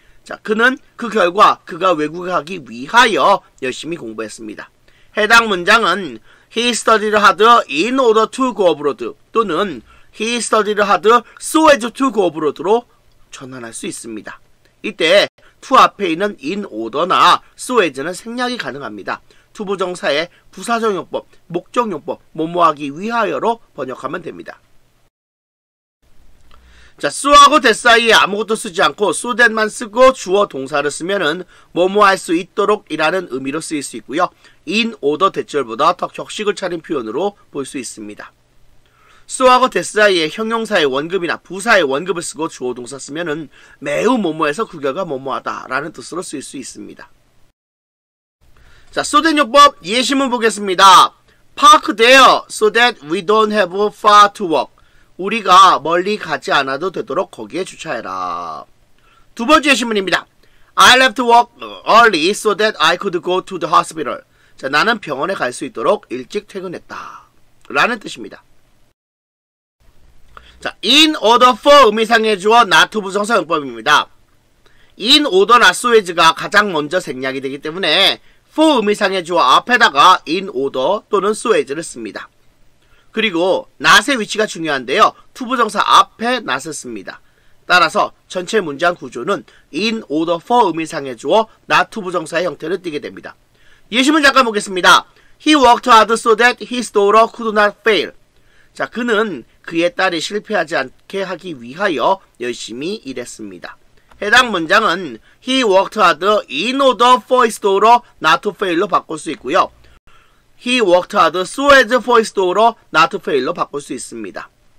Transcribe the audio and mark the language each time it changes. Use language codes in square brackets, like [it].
[ko] 자, 그는 그 결과 그가 외국에 가기 위하여 열심히 공부했습니다. 해당 문장은 [en] He studied hard in order to go abroad [ko] 또는 [en] He studied hard so as to go abroad [ko] 로 전환할 수 있습니다. 이때 to 앞에 있는 in order나 so as는 생략이 가능합니다. 투부정사의 부사정용법, 목적용법, 뭐뭐하기 위하여로 번역하면 됩니다. 자, so하고 that 사이에 아무것도 쓰지 않고 so that만 쓰고 주어 동사를 쓰면은 뭐뭐할 수 있도록이라는 의미로 쓰일 수 있고요. in order 대절보다 더 격식을 차린 표현으로 볼 수 있습니다. so하고 that 사이에 형용사의 원급이나 부사의 원급을 쓰고 주어 동사 쓰면은 매우 뭐뭐해서 그 결과 뭐뭐하다라는 뜻으로 쓰일 수 있습니다. 자, 쏘된 요법 예시문 보겠습니다. [en] Park there so that we don't have far to walk. [ko] 우리가 멀리 가지 않아도 되도록 거기에 주차해라. 두 번째 예시문입니다. [en] I left work early so that I could go to the hospital. [ko] 자, 나는 병원에 갈 수 있도록 일찍 퇴근했다. 라는 뜻입니다. 자, in order for 의미상의 주어 not to 부정사 용법입니다. in order나 so as가 가장 먼저 생략이 되기 때문에 for 의미상의 주어 앞에다가 in order 또는 so as를 씁니다. 그리고 not의 위치가 중요한데요. to 부정사 앞에 not을 씁니다. 따라서 전체 문장 구조는 in order for 의미상의 주어 not to 부정사의 형태를 띠게 됩니다. 예시문 잠깐 보겠습니다. [en] He worked hard so that his daughter could not fail. [ko] 자, 그는 그의 딸이 실패하지 않게 하기 위하여 열심히 일했습니다. 해당 문장은 [en] He worked hard in order for his daughter not to fail [ko] 로 바꿀 수 있고요. [en] He worked hard so as for his daughter not to fail [ko] 로 바꿀 수 있습니다.